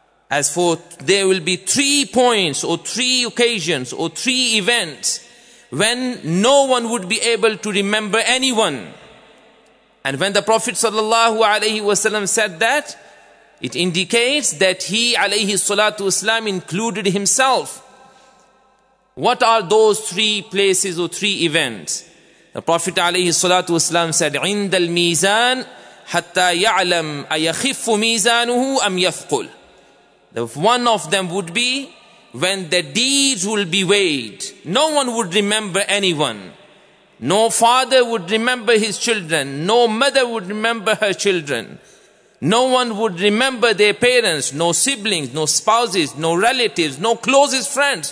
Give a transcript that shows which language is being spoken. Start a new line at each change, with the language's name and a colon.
English: As for, there will be three points or three occasions or three events when no one would be able to remember anyone. And when the Prophet sallallahu alayhi wasallam said that, it indicates that he alayhi salatu wasalam included himself. What are those three places or three events? The Prophet alayhi salatu wasalam said,
Arabic: عند الميزان حتى يعلم أيخف ميزانه أم يثقل.
English: One of them would be when the deeds will be weighed. No one would remember anyone. No father would remember his children. No mother would remember her children. No one would remember their parents. No siblings, no spouses, no relatives, no closest friends.